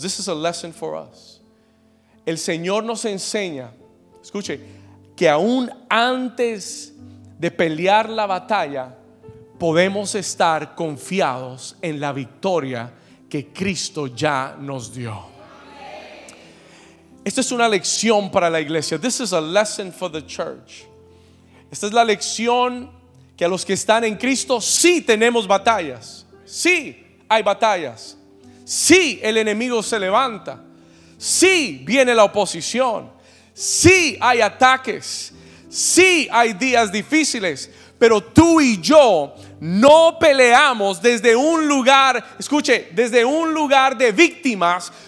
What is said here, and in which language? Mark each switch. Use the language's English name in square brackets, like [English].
[English] This is a lesson for us. [Spanish] El Señor nos enseña, escuche, que aún antes de pelear la batalla, podemos estar confiados en la victoria que Cristo ya nos dio. Esta es una lección para la iglesia. [English] This is a lesson for the church. [Spanish] Esta es la lección que a los que están en Cristo, sí tenemos batallas. Sí hay batallas. Sí el enemigo se levanta. Sí viene la oposición. Sí hay ataques. Sí hay días difíciles. Pero tú y yo no peleamos desde un lugar, escuche, desde un lugar de víctimas.